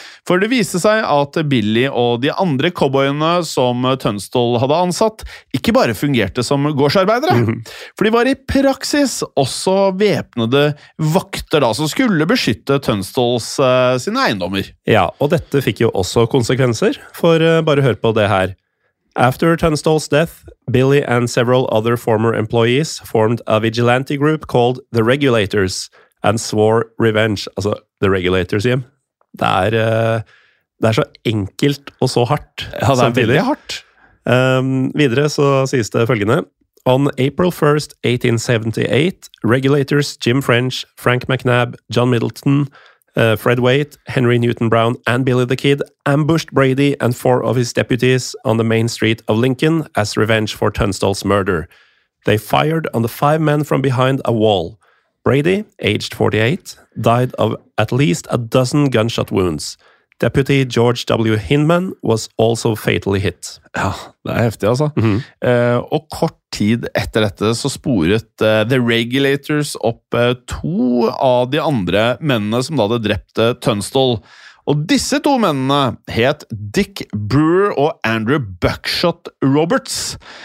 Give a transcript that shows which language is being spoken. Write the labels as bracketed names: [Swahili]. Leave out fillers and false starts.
[Norwegian] For det viste seg at Billy og de andre cowboyene som Tunstall hadde ansatt, ikke bare fungerte som gårdsarbeidere, for de var i praksis også vepnede vakter da, som skulle beskytte Tunstalls sine eiendommer. Ja, og dette fikk jo også konsekvenser, for bare hør på det her. [English] After Tunstall's death, Billy and several other former employees formed a vigilante group called the Regulators and swore revenge, altså the Regulators, Jim. [Norwegian] Det er så enkelt og så hardt. Ja, det veldig hardt. Videre så sies det følgende. [English] On April 1st, 1878, regulators Jim French, Frank McNabb, John Middleton, Fred Waite, Henry Newton Brown, and Billy the Kid ambushed Brady and 4 of his deputies on the main street of Lincoln as revenge for Tunstall's murder. They fired on the 5 men from behind a wall. Brady, aged 48, died of at least a dozen gunshot wounds. Deputy George W. Hinman was also fatally hit. [Norwegian] Ja, det heftig altså. Mm-hmm. Og kort tid etter dette så sporet The Regulators opp 2 av de andre mennene som da hadde drept Tunstall. Og disse 2 mennene het Dick Brewer og Andrew Buckshot Roberts.